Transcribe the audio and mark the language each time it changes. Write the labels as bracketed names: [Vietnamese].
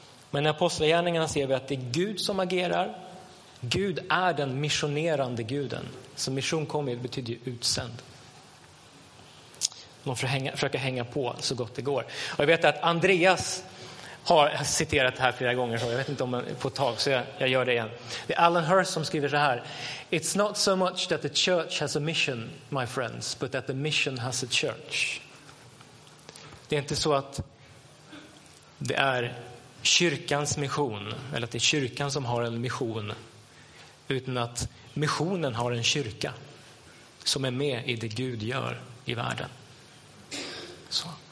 [Swedish] Men i apostlagärningarna ser vi att det är Gud som agerar. Gud är den missionerande guden. Så mission kommer, det betyder ju utsänd. Man försöker hänga på så gott det går. Och jag vet att Andreas har citerat det här flera gånger, så jag vet inte om på ett tag, så jag gör det igen. Det är Alan Hurst som skriver så här: [English] "It's not so much that the church has a mission, my friends, but that the mission has a church." [Swedish] Det är inte så att det är kyrkans mission, eller att det är kyrkan som har en mission, utan att missionen har en kyrka som är med i det Gud gör i världen. Så.